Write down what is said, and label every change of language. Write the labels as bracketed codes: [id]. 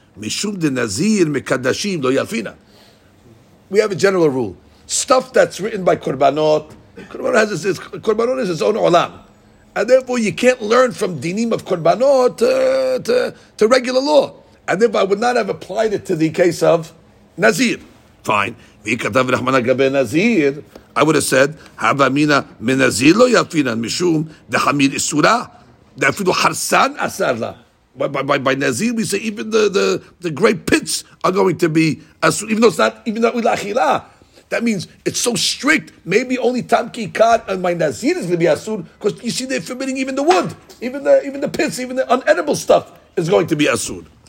[en] Mishum de nazir mekadashim lo yafina. We have a general rule. Stuff that's written by Korbanot has this, Korbanot is its own olam. And therefore you can't learn from dinim of Korbanot to regular law. And therefore I would not have applied it to the case of nazir. Fine. [arc] ויכתב רחמנא גבי נזיר, I would have said, הווה אמינא מנזיר לא יפינן משום דחמיר איסורה, דאפילו חרסן אסר לה. [en] By נזיר, we say, even the great pits are going to be, even though it's not, even though it's not, even though it's not, That means it's so strict. Maybe only tamki kad and my nazir is going to be asur, because you see they're forbidding even the wood, even the pits, even the unedible stuff is going to be asur.